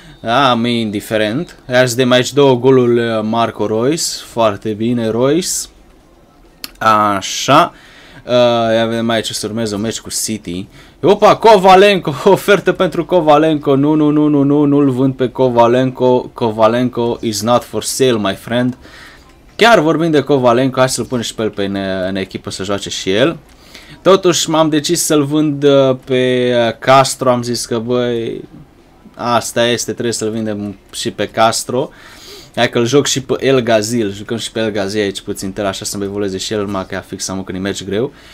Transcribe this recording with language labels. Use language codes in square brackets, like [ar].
[ro] Da, mi-e indiferent. Aș de aici două goluri Marco Reus, foarte bine Reus. Așa. Avem aici să urmeze un meci cu City. Opa, Kovalenko, ofertă pentru Kovalenko. Nu-l vând pe Kovalenko. [en] Kovalenko is not for sale, my friend. [ro] Chiar vorbind de Kovalenko, hai să-l punem și pe el în echipă să joace și el. Totuși m-am decis să-l vând pe Castro. Am zis că, băi, asta este, trebuie să-l vindem și pe Castro. Hai că-l joc și pe El Ghazi, jucăm și pe El Ghazi aici puțin tel, așa să-mi evolueze și el, numai că ea fix amă când e match greu.